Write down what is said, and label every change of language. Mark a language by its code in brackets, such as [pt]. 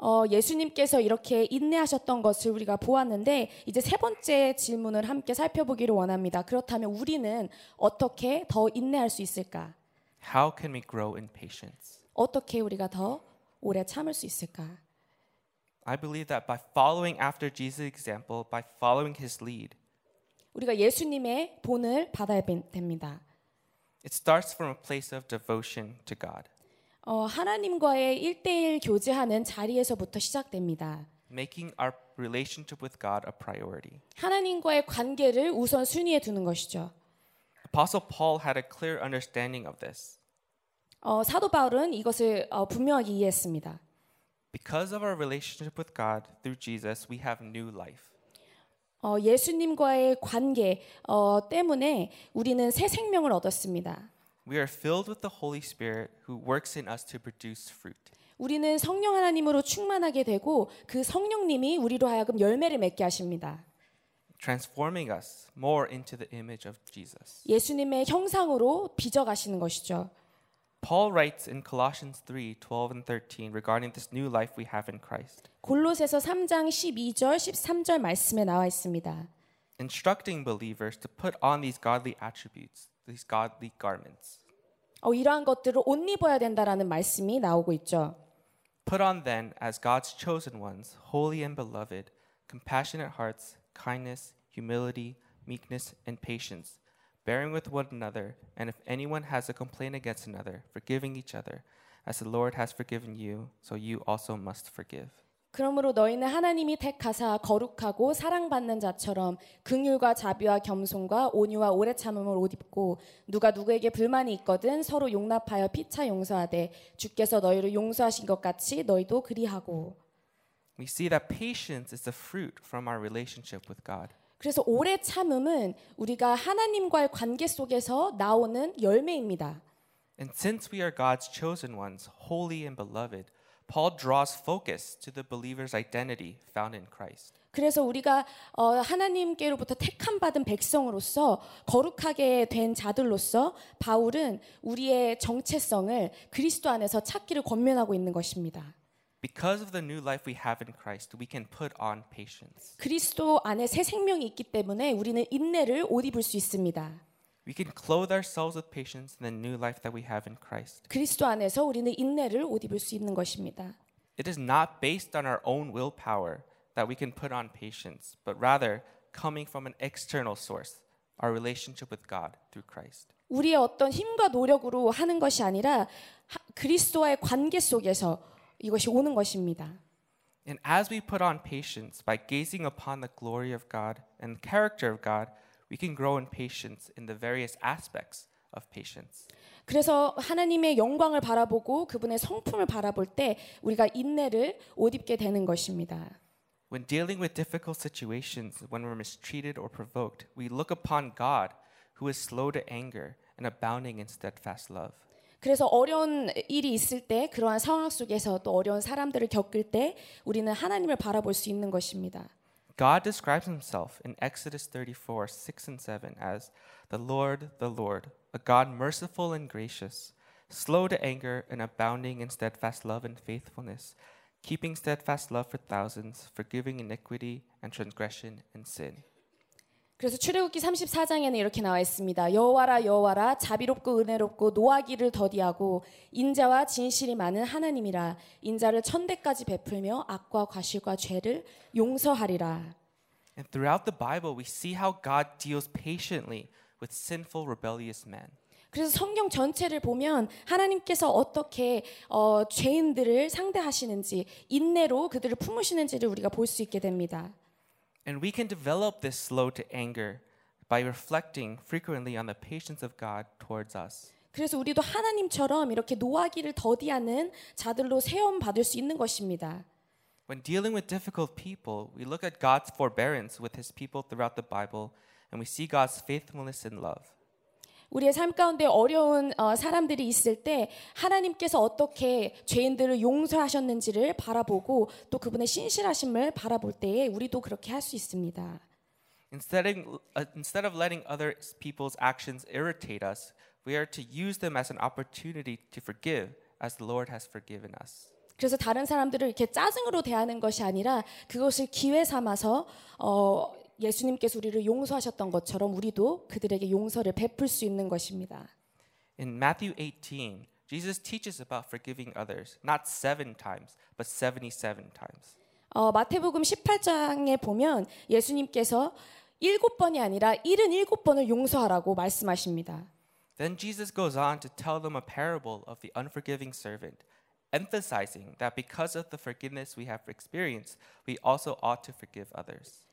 [ko] 예수님께서 이렇게 인내하셨던 것을 우리가 보았는데 이제 세 번째 질문을 함께 살펴보기를 원합니다. 그렇다면 우리는 어떻게 더 인내할 수 있을까? [en] How can we grow in patience? [ko] 어떻게 우리가 더 오래 참을 수 있을까? [en] I believe that by following after Jesus' example, by following his lead, [ko] 우리가 예수님의 본을 받아야 됩니다. [en] It starts from a place of devotion to God. [ko] 하나님과의 일대일 교제하는 자리에서부터 시작됩니다. [en] Making our relationship with God a priority. [ko] 하나님과의 관계를 우선 순위에 두는 것이죠. [en] Apostle Paul had a clear understanding of this. [ko] 사도 바울은 이것을 분명하게 이해했습니다. [en] Because of our relationship with God through Jesus, we have new life. [ko] 예수님과의 관계 때문에 우리는 새 생명을 얻었습니다. [en] We are filled with the Holy Spirit who works in us to produce fruit. [ko] 우리는 성령 하나님으로 충만하게 되고 그 성령님이 우리로 하여금 열매를 맺게 하십니다. [en] Transforming us more into the image of Jesus. [ko] 예수님의 형상으로 빚어 가시는 것이죠. [en] Paul writes in Colossians 3:12-13 regarding this new life we have in Christ. [ko] 골로새서 3장 12절 13절 말씀에 나와 있습니다. [en] Instructing believers to put on these godly attributes. These godly garments. [ko] 이러한 것들을 옷 입어야 된다라는 말씀이 나오고 있죠. [en] Put on then as God's chosen ones, holy and beloved, compassionate hearts, kindness, humility, meekness, and patience, bearing with one another, and if anyone has a complaint against another, forgiving each other, as the Lord has forgiven you, so you also must forgive. [ko] 그러므로 너희는 하나님이 택하사 거룩하고 사랑받는 자처럼 긍휼과 자비와 겸손과 온유와 오래 참음을 옷 입고 누가 누구에게 불만이 있거든 서로 용납하여 피차 용서하되 주께서 너희를 용서하신 것 같이 너희도 그리하고. [en] We see that patience is the fruit from our relationship with God. [ko] 그래서 오래 참음은 우리가 하나님과의 관계 속에서 나오는 열매입니다. [en] And since we are God's chosen ones, holy and beloved, Paul draws focus to the believer's identity found in Christ. [ko] 그래서 우리가 하나님께로부터 택함 받은 백성으로서 거룩하게 된 자들로서 바울은 우리의 정체성을 그리스도 안에서 찾기를 권면하고 있는 것입니다. [en] Because of the new life we have in Christ, we can put on patience. [ko] 그리스도 안에 새 생명이 있기 때문에 우리는 인내를 옷 입을 수 있습니다. [en] We can clothe ourselves with patience in the new life that we have in Christ. [ko] 그리스도 안에서 우리는 인내를 옷 입을 수 있는 것입니다. [en] It is not based on our own willpower that we can put on patience, but rather coming from an external source, our relationship with God through Christ. [ko] 우리의 어떤 힘과 노력으로 하는 것이 아니라 그리스도와의 관계 속에서 이것이 오는 것입니다. [en] And as we put on patience by gazing upon the glory of God and the character of God, we can grow in patience in the various aspects of patience. [ko] 그래서 하나님의 영광을 바라보고 그분의 성품을 바라볼 때 우리가 인내를 옷 입게 되는 것입니다. [en] When dealing with difficult situations, when we're mistreated or provoked, we look upon God, who is slow to anger and abounding in steadfast love. [ko] 그래서 어려운 일이 있을 때, 그러한 상황 속에서 또 어려운 사람들을 겪을 때 우리는 하나님을 바라볼 수 있는 것입니다. [en] God describes himself in Exodus 34:6-7 as the Lord, a God merciful and gracious, slow to anger and abounding in steadfast love and faithfulness, keeping steadfast love for thousands, forgiving iniquity and transgression and sin. [ko] 그래서 출애굽기 34장에는 이렇게 나와 있습니다. 여호와라 여호와라 자비롭고 은혜롭고 노하기를 더디하고 인자와 진실이 많은 하나님이라 인자를 천대까지 베풀며 악과 과실과 죄를 용서하리라. [en] And throughout the Bible we see how God deals patiently with sinful rebellious men. [ko] 그래서 성경 전체를 보면 하나님께서 어떻게 죄인들을 상대하시는지 인내로 그들을 품으시는지를 우리가 볼 수 있게 됩니다. [en] And we can develop this slow to anger by reflecting frequently on the patience of God towards us. [ko] 그래서 우리도 하나님처럼 이렇게 노하기를 더디하는 자들로 세움 받을 수 있는 것입니다. [en] When dealing with difficult people, we look at God's forbearance with his people throughout the Bible and we see God's faithfulness and love. [ko] 우리의 삶 가운데 어려운 사람들이 있을 때 하나님께서 어떻게 죄인들을 용서하셨는지를 바라보고 또 그분의 신실하심을 바라볼 때에 우리도 그렇게 할 수 있습니다. [en] Instead of letting other people's actions irritate us, we are to use them as an opportunity to forgive as the Lord has forgiven us. [ko] 그래서 다른 사람들을 이렇게 짜증으로 대하는 것이 아니라 그것을 기회 삼아서 예수님께서 우리를 용서하셨던 것처럼 우리도 그들에게 용서를 베풀 수 있는 것입니다. [en] In Matthew 18, Jesus teaches about forgiving others, not 7 times, but 77 times. [ko] 마태복음 18장에 보면 예수님께서 7번이 아니라 77번을 용서하라고 말씀하십니다. [en] Then Jesus goes on to tell them a parable of the unforgiving servant, emphasizing that because of the forgiveness we have experienced, we also ought to forgive others.